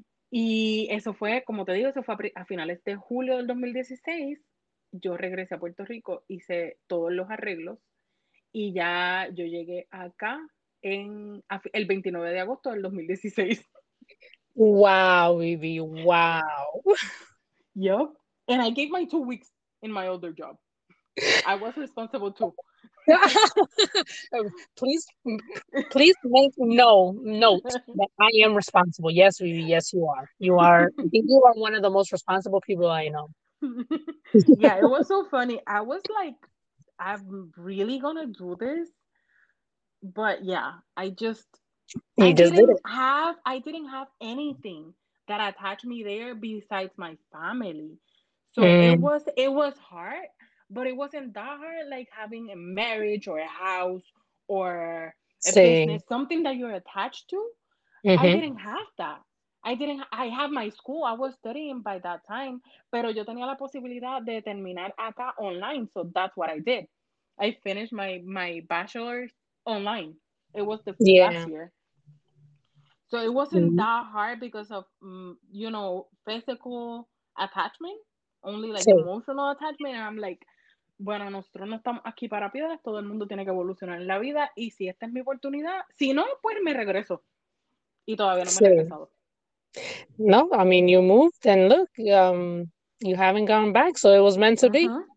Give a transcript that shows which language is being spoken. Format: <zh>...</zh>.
<es>Y eso fue, como te digo, eso fue a finales de julio del 2016. Yo regresé a Puerto Rico, hice todos los arreglos y ya yo llegué acá el 29 de agosto del 2016.</es> <en>Wow, Vivi, wow. Yep. And I gave my 2 weeks in my older job. I was responsible too. please make note that I am responsible. Yes, Vivi, yes, you are. You are, I think you are one of the most responsible people I know. Yeah, it was so funny. I was like, I'm really gonna do this, but yeah, I didn't have anything that attached me there besides my family. So it was hard. But it wasn't that hard, like having a marriage or a house or a business, something that you're attached to. Mm-hmm. I didn't have that. I have my school. I was studying by that time.</en> <es>Pero yo tenía la posibilidad de terminar acá online.</es> <en>So that's what I did. I finished my bachelor's online. It was the first last year. So it wasn't that hard because of, physical attachment. Only like emotional attachment. And I'm like...</en> <es>Bueno, nosotros no estamos aquí para piedras, todo el mundo tiene que evolucionar en la vida, y si esta es mi oportunidad, si no, pues me regreso. Y todavía no me he regresado.</es> <en>No, I mean, you moved, and look, you haven't gone back, so it was meant to be.</en>